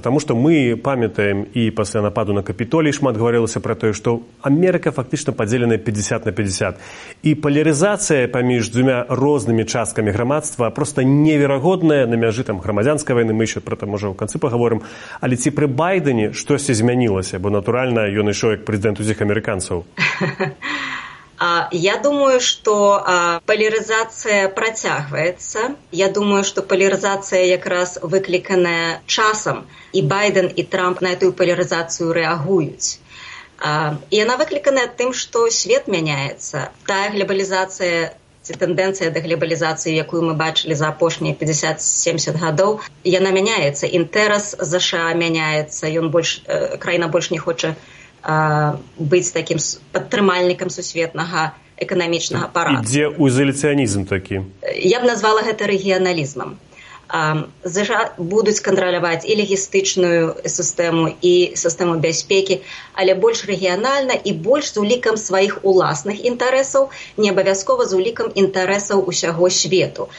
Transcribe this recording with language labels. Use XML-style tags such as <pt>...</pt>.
<be>Таму што мы памятаем і пасля нападу на Капітолій шмат гаварылася пра тое, што Амерыка фактычна падзеленая 50-50. І палярызацыя паміж дзвюма рознымі часткамі грамадства проста неверагодная на мяжы там грамадзянскай вайны. Мы ще пра там можа ў канцы пагаворым. Але ці пры Байдэне штосьці змянілася? Бо натуральна ён ішоў як прэзідэнт усіх амерыканцаў.</be> <ru>Я думаю, что поляризация протягивается. Я думаю, что поляризация как раз выкликанная часом. И Байден, и Трамп на эту поляризацию реагуют. И она выкликанная тем, что свет меняется. Та глобализация, эта тенденция до глобализации, которую мы бачили за последние 50-70 годов, она меняется. Интерес США меняется. И он больше, краина больше не хочет</ru> <be>быць такім падтрымальнікам сусветнага эканамічнага парадку. Дзе ізаляцыянізм такі? Я б назвала гэта рэгіяналізмам. США будуць кантраляваць і лагістычную сістэму, і сістэму бяспекі, але больш рэгіянальна і больш з улікам сваіх уласных інтарэсаў, не абавязкова з улікам інтарэсаў усяго свету.</be>